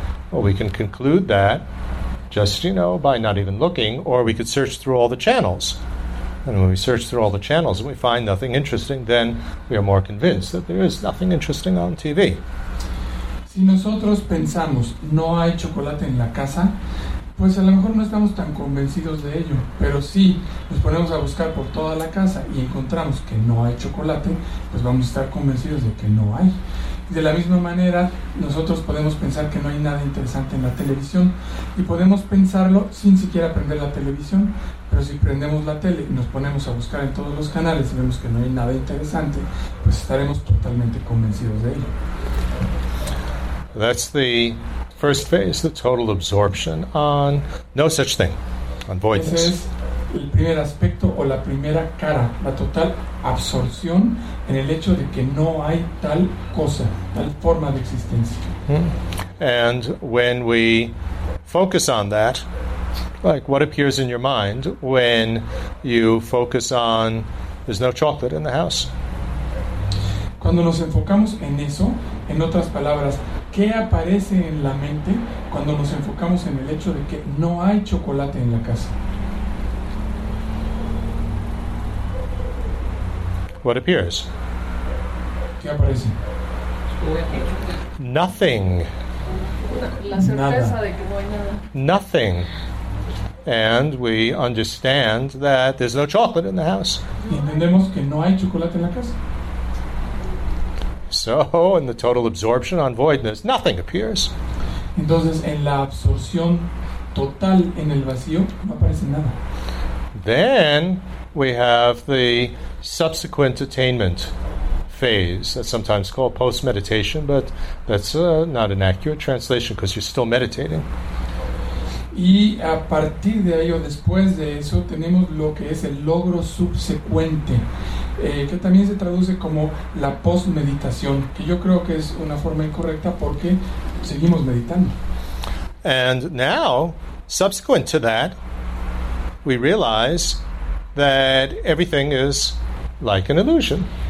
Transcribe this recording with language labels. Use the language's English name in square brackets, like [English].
[English] Well, we can conclude that just, you know, by not even looking, or we could search through all the channels. And when we search through all the channels and we find nothing interesting, then we are more convinced that there is nothing interesting on TV. [Spanish] Si nosotros pensamos, no hay chocolate en la casa, pues a lo mejor no estamos tan convencidos de ello, pero si nos ponemos a buscar por toda la casa y encontramos que no hay chocolate, pues vamos a estar convencidos de que no hay. De la misma manera, nosotros podemos pensar que no hay nada interesante en la televisión y podemos pensarlo sin siquiera prender la televisión, pero si prendemos la tele y nos ponemos a buscar en todos los canales y vemos que no hay nada interesante, pues estaremos totalmente convencidos de ello. [English] That's the first phase, the total absorption on no such thing, on voidness. [Spanish] Ese es el primer aspecto o la primera cara, la total absorción en el hecho de que no hay tal cosa, tal forma de existencia. [English] And when we focus on that, like what appears in your mind when you focus on there's no chocolate in the house? [Spanish] Cuando nos enfocamos en eso, en otras palabras, ¿qué aparece en la mente cuando nos enfocamos en el hecho de que no hay chocolate en la casa? [English] What appears? [Spanish] ¿Qué aparece? [English] Nothing. [Spanish] La sorpresa nada. De que no hay nada. [English] Nothing. And we understand that there's no chocolate in the house. [Spanish] ¿Y entendemos que no hay chocolate en la casa? [English] So, in the total absorption on voidness, nothing appears. [Spanish] Entonces, en la absorción total en el vacío, no aparece nada. [English] Then, we have the subsequent attainment phase. That's sometimes called post-meditation, but that's not an accurate translation because you're still meditating. [Spanish] Y a partir de ahí o después de eso, tenemos lo que es el logro subsecuente. Que también se traduce como la post-meditación, que yo creo que es una forma incorrecta porque seguimos meditando. [English] And now, subsequent to that, we realize that everything is like an illusion.